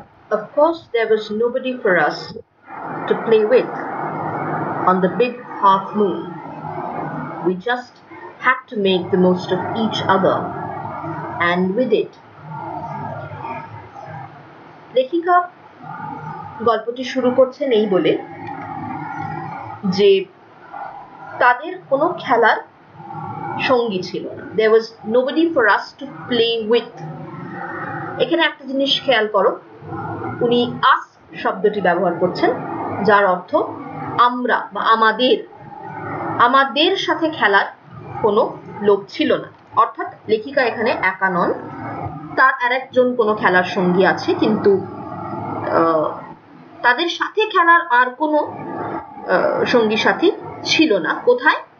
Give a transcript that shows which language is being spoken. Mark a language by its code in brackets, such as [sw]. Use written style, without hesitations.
[en] Of course, there was nobody for us to play with on the big half moon. We just had to make the most of each other, and we did. [bn] লেখিকা গল্পটি শুরু করছেন এই বলে যে তাদের কোনো খেলার সঙ্গী ছিল না। [en] There was nobody for us to play with. [bn] এখানে একটা জিনিস খেয়াল করো, উনি আস শব্দটি ব্যবহার করছেন, যার অর্থ আমরা বা আমাদের। আমাদের সাথে খেলার কোনো লোক ছিল না, অর্থাৎ লেখিকা এখানে একা নন, তার আরেকজন কোনো খেলার সঙ্গী আছে, কিন্তু তাদের সাথে খেলার আর কোনো সঙ্গী সাথী ছিল না। কোথায়?